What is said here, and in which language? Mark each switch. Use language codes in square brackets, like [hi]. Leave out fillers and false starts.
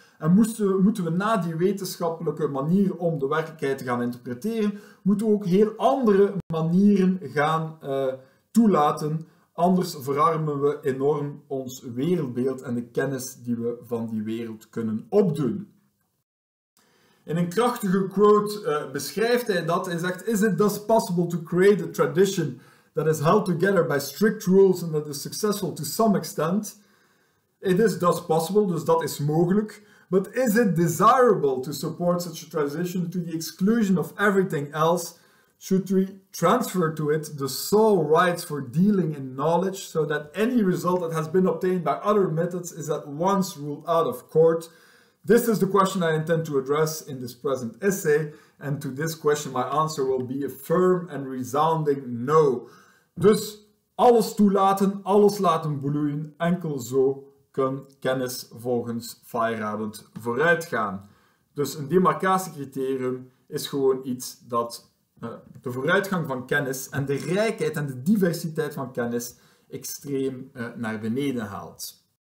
[nl] En moeten we na die wetenschappelijke manier om de werkelijkheid te gaan interpreteren, moeten we ook heel andere manieren gaan toelaten. Anders verarmen we enorm ons wereldbeeld en de kennis die we van die wereld kunnen opdoen. In een krachtige quote beschrijft hij dat. Hij zegt, [en] is it thus possible to create a tradition that is held together by strict rules and that is successful to some extent? It is thus possible, [nl] dus dat is mogelijk. [en] But is it desirable to support such a transition to the exclusion of everything else? Should we transfer to it the sole rights for dealing in knowledge so that any result that has been obtained by other methods is at once ruled out of court? This is the question I intend to address in this present essay, and to this question my answer will be a firm and resounding no. [nl] Dus alles toelaten, alles laten bloeien, enkel zo kan kennis volgens Feyerabend vooruitgaan. Dus een demarcatiecriterium is gewoon iets dat de vooruitgang van kennis en de rijkheid en de diversiteit van kennis extreem naar beneden haalt.